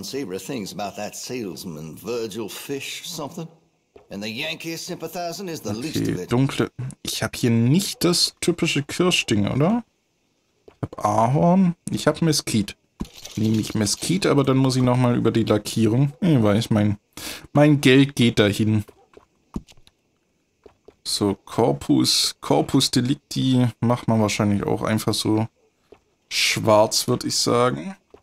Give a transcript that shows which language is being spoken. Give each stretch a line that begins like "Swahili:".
German: Ich habe gehört, dass jemand über diesen Salesman, Virgil Fish, etwas...
English: And the Yankee sympathizer is the least of it.
German: Okay, dunkle. Ich habe hier nicht das typische Kirschding, oder? Ich habe Ahorn. Ich habe Mesquite. Nehme ich Mesquite, aber dann muss ich nochmal über die Lackierung. Ich weiß, mein Geld geht dahin. So, Corpus. Corpus Delicti macht man wahrscheinlich auch einfach so schwarz, würde ich sagen.